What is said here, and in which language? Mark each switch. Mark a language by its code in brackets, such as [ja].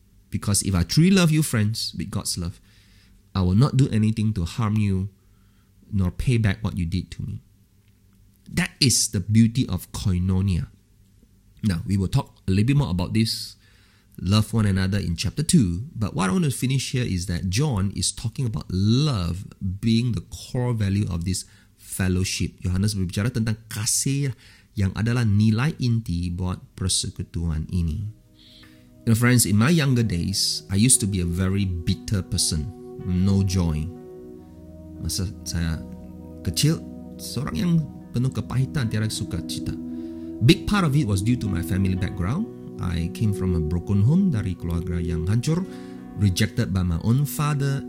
[en] Because if I truly love you, friends, with God's love, I will not do anything to harm you nor pay back what you did to me. That is the beauty of koinonia. Now, we will talk a little bit more about this, love one another, in chapter 2. But what I want to finish here is that John is talking about love being the core value of this fellowship. [id] Yohanes berbicara tentang kasih yang adalah nilai inti buat persekutuan ini. [en] You know, friends, in my younger days, I used to be a very bitter person. No joy. [ms] Masa saya kecil, seorang yang penuh kepahitan, tiada suka cita. [en] Big part of it was due to my family background. I came from a broken home, [id] dari keluarga yang hancur, [en] rejected by my own father.